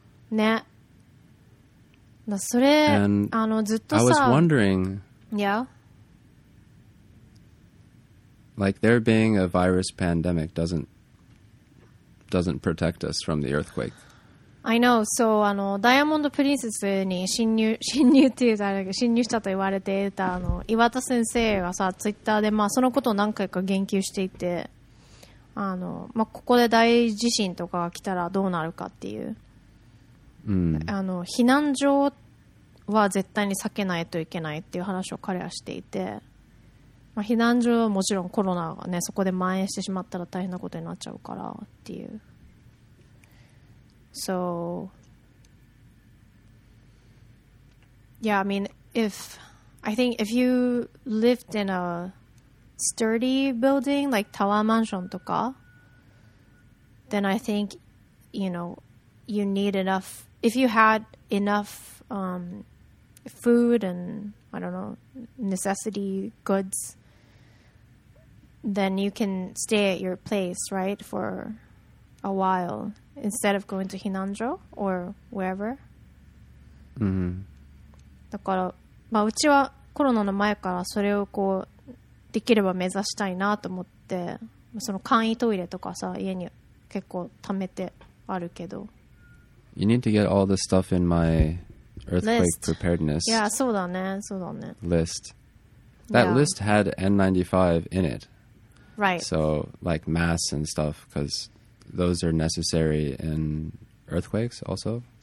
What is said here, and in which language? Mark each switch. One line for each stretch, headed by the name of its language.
Japanese: ね。それ、ずっとさ...
English: I was wondering... Yeah. Like there being a virus pandemic doesn't protect us from the earthquake. I know.
Japanese: So, ダイヤモンドプリンセスに侵入っていうか、侵入したと言われていた岩田先生がさ、ツイッターでまあそのことを何回か言及していて、まあここで大地震とかが来たらどうなるかっていう、避難所。は絶対に避けないといけないっていう話を彼はしていて、まあ、避難所はもちろんコロナがねそこで蔓延してしまったら大変なことになっちゃうからっていう。
English: So Yeah, I mean if I think if you lived in a sturdy building like
Japanese: タワーマンションとか
English: then I think you know you need enough if you had enough food and I don't know necessity goods then you can stay at your place right for a while instead of going to Hinanjo or wherever mm-hmm.
Japanese: だからまあうちはコロナの前からそれをこうできれば目指したいなと思って、その簡易トイレとかさ家に結構貯めてあるけど。
English: You need to get all the stuff in my earthquake preparedness list. Yeah,
Japanese: そうだね、そうだね。
English: List. That、yeah. list had N95 in it. Right. So like masks and stuff, because those are necessary in earthquakes also.